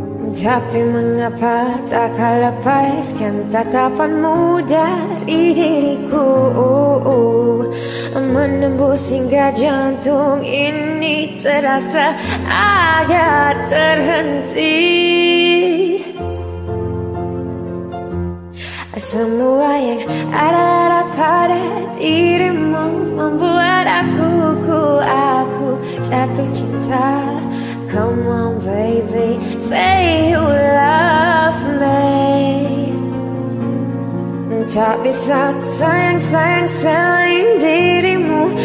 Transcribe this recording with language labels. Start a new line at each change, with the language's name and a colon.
Indonesian: Tapi mengapa tak kau lepaskan tatapanmu dari diriku, menembus hingga jantung ini terasa agak terhenti. Semua yang ada pada dirimu membuat aku jatuh cinta.
English: Come on baby, say you love me.
Indonesian: Tak bisa sayang selain dirimu.